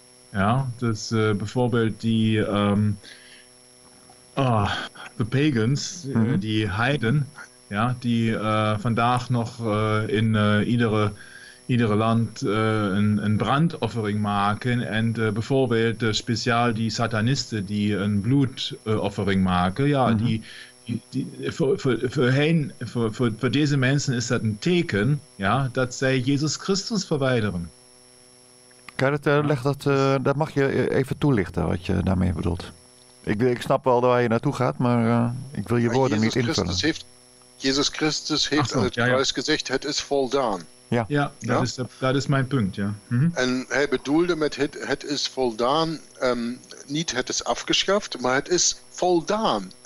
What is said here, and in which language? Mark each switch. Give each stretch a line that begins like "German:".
Dutch: Ja, dus bijvoorbeeld die the Pagans, die Heiden, ja, die vandaag nog in iedere Land een Brandoffering maken. En bijvoorbeeld speciaal die Satanisten, die een Blutoffering maken.
German: Ja, für diese Menschen ist das ein Teken, ja, dass sie Jesus Christus verweigern.
Dutch: Kan je dat mag je even toelichten wat je daarmee bedoelt. Ik snap wel waar je naartoe gaat, maar ik wil je woorden niet invullen. Jezus Christus heeft aan het kruis gezegd, het is voldaan. Dat is mijn punt, ja. En hij bedoelde met het is voldaan, niet het is afgeschaft, maar het is voldaan.